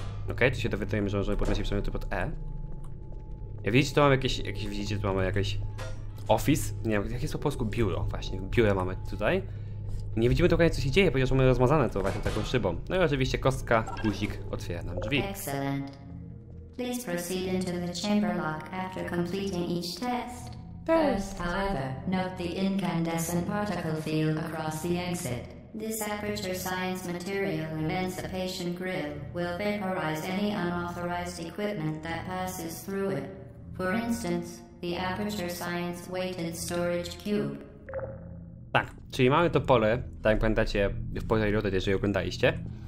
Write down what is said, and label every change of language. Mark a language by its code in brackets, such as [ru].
[pl] Okej, tu się dowiadujemy, że możemy podnosić przedmioty pod E. Jak widzicie, to mamy jakieś, widzicie, tu mamy jakiś office, nie wiem, jak jest po polsku, biuro, właśnie, biuro mamy tutaj. Nie widzimy dokładnie, co się dzieje, ponieważ mamy rozmazane to właśnie taką szybą. No i oczywiście kostka, guzik otwiera nam drzwi. [en] Excellent. Please proceed into the chamber lock after completing each test. First, however, note the incandescent particle field across the exit. This aperture science material emancipation grill will vaporize any unauthorized equipment that passes through it. For instance, the aperture science weighted storage cube. [pl] Tak, czyli mamy to pole, tak jak pamiętacie w Portal Reloaded, jeżeli oglądaliście.